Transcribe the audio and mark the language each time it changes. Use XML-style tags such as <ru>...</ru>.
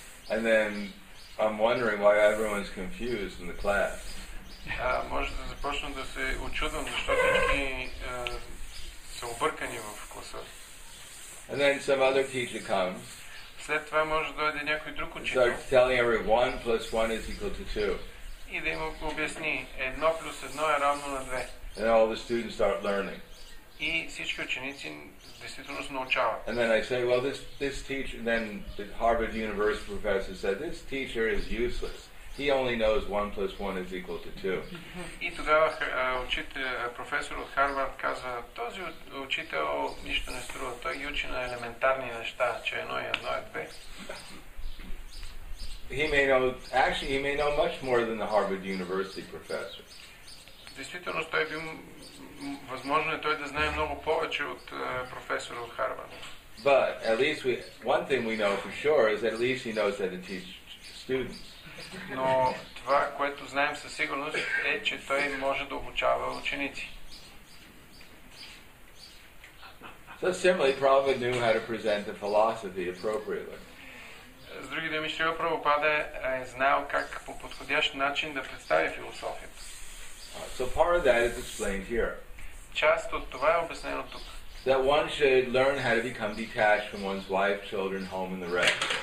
<en>And then I'm wondering why everyone's confused in the class.</en> <bg>Може да започна да се учудвам защо всички са объркани в класа.</bg> <en>And then some other teacher comes.</en> <bg>След това може да дойде някой друг учител.</bg> <en>Starts telling everyone 1 + 1 = 2.</en> <bg>И да им обясни 1 + 1 = 2.</bg> <en>And all the students start learning.</en> <bg>И всички ученици действително се научават.</bg> <en>And then I say, well, this teacher, then the Harvard University professor said, this teacher is useless. He only knows 1 + 1 = 2.</en> <bg>И тогава професор от Харвард каза, този учител нищо не струва. Той ги учи на елементарни неща, че 1 + 1 = 2.</bg> <en>He may know much more than the Harvard University professor.</en> <bg>Действително, той би възможно е той да знае много повече от професора от Харвард.</bg> <en>But at least one thing we know for sure is that at least he knows how to teach students.</en> <bg>Но това, което знаем със сигурност, е, че той може да обучава ученици.</bg> <en>So similarly, Prabhupada knew how to present the philosophy appropriately.</en> <bg>С други думи, Шрила Прабхупада е знал как по подходящ начин да представи философията.</bg> <en>So part of that is explained here.</en> <bg>Част от това е обяснено тук.</bg> <en>That one should learn how to become detached from one's wife, children, home and the rest.</en>